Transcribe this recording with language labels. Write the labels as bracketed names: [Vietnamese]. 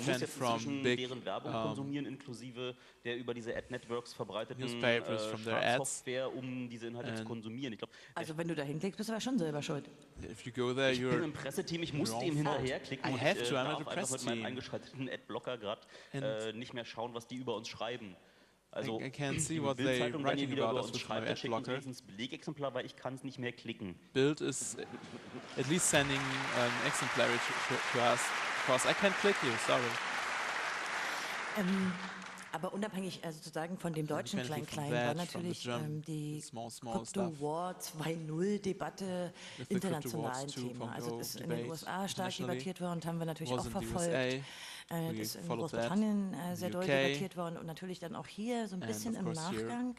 [German] Man muss jetzt inzwischen deren Werbung konsumieren, inklusive der über diese Ad-Networks verbreiteten Schadsoftware, um diese Inhalte zu konsumieren. Ich glaub, also wenn du da hinklickst, bist du aber schon selber schuld. [English] If you go there, [German] ich bin im Presseteam, ich muss dem hinterherklicken und ich darf einfach mit meinem eingeschalteten Ad-Blocker gerade nicht mehr schauen, was die über uns schreiben. Also [English] I can't see what they writing about us with my ad-blocker. [German] Ein Belegexemplar, weil ich kann es nicht mehr klicken. [English] Bild is at least sending an exemplary to us, because I can't click you, sorry. [German] Aber unabhängig sozusagen von dem deutschen Klein-Klein war natürlich die Crypto-War-2.0-Debatte international ein Thema. Also das ist in den USA stark debattiert worden und haben wir natürlich auch verfolgt. Das ist in Großbritannien sehr doll debattiert worden und natürlich dann auch hier so ein bisschen im Nachgang.